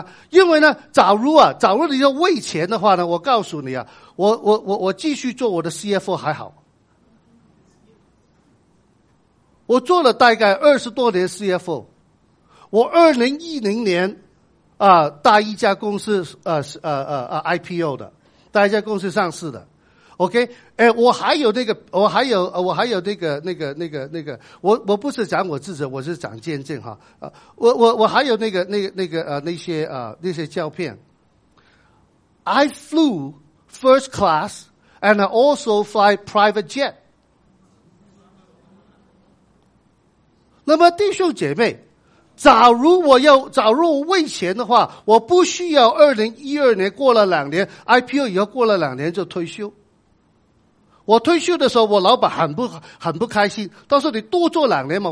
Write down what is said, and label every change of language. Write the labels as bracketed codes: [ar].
[zh] 因为呢，假如你要为钱的话呢，我告诉你啊，我继续做我的 CFO 还好，我做了大概20多年 CFO， 我2010年啊，大一家公司IPO 的，大一家公司上市的。 OK， 我还有那个，我不是讲我自己，我是讲见证哈。我还有那些照片。 [en] I flew first class and I also fly private jet。 [zh] 那么弟兄姐妹，假如我为钱的话，我不需要2012年过了两年 IPO 以后过了两年就退休。我退休的时候，我老板很不开心。他说：“你多做两年嘛。”